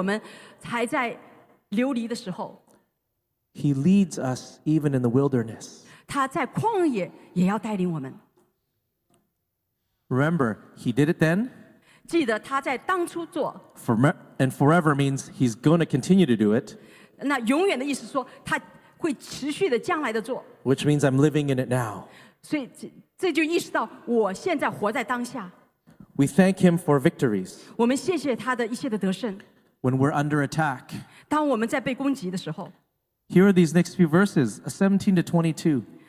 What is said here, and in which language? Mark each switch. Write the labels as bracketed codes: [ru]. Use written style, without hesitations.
[zh] 因为他带领我们，甚至在我们还在流离的时候。 [en] He leads us even in the wilderness. [zh] 他在旷野也要带领我们。 [en] Remember, he did it then. [zh] 记得他在当初做。 [en] And forever means he's going to continue to do it. [zh] 那永远的意思说，他会持续的将来的做。 [en] Which means I'm living in it now. [zh] 所以这就意识到我现在活在当下。 [en] We thank him for victories. [zh] 我们谢谢他的一切的得胜。 [en] When we're under attack. [zh] 当我们在被攻击的时候。 [en] Here are these next few verses, 17 to 22.